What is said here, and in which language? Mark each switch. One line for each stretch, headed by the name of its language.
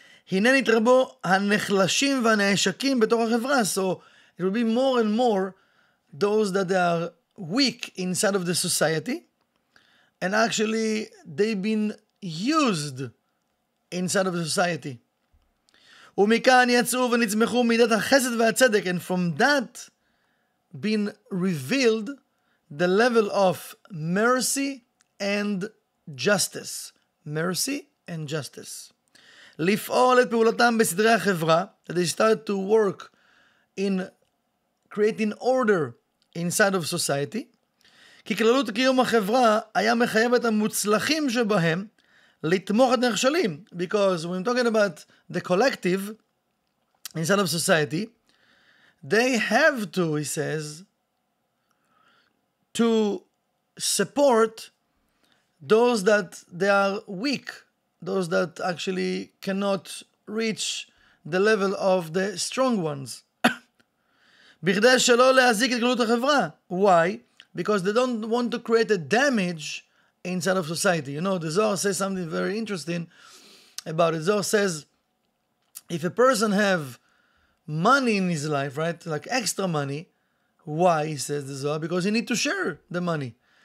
Hebrew: הנה נתרבו הנחלשים והנעשקים בתוך החברה.
English: So it will be more and more those that are weak inside of the society, and actually they've been used inside of the society.
Hebrew: ומכאן יצאו ונצמחו מידת החסד והצדק,
English: and from that been revealed the level of mercy and justice. Mercy and justice.
Hebrew: לפעול את פעולתם בסדרי החברה,
English: that they started to work in creating order inside of society.
Hebrew: כי כללות קיום החברה היה מחייב את המוצלחים שבהם לתמוך את נכשלים.
English: Because when talking about the collective inside of society, they have to, he says, to support those that they are weak, those that actually cannot reach the level of the strong ones.
Hebrew: בכדי שלא להזיק את גלות החברה.
English: Why? Because they don't want to create a damage inside of society. You know, the Zohar says something very interesting about it. Zohar says, if a person have money in his life, right, like extra money, why, he says the Zohar, because he need to share the money.